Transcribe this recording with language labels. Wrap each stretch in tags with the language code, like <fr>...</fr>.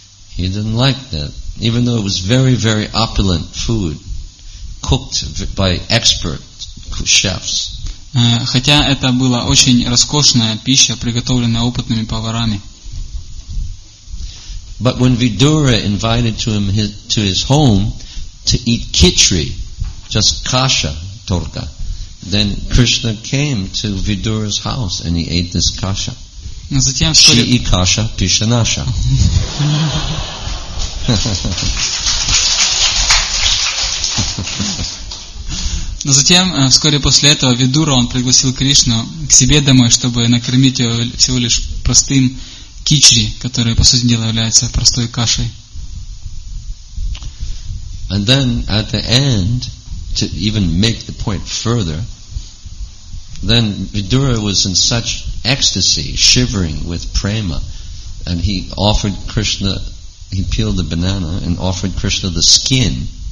<en>He didn't like that, even though it was very, very opulent food, cooked by expert chefs.</en> <ru>Хотя это была очень роскошная пища, приготовленная опытными поварами.</ru> <en>But when Vidura invited to him to his home to eat khichdi, just kasha torka. Then Krishna came to Vidura's house and he ate this kasha. She и kasha, pisha nasha.</en> <ru>Но затем, вскоре после этого, Видура, он пригласил Кришну к себе домой, чтобы накормить его всего лишь простым кичри, который, по сути дела, является простой кашей.</ru> <en>And then, at the end, to even make the point further, then Vidura was in such ecstasy, shivering with prema, and he offered Krishna, he peeled the banana and offered Krishna the skin.</en>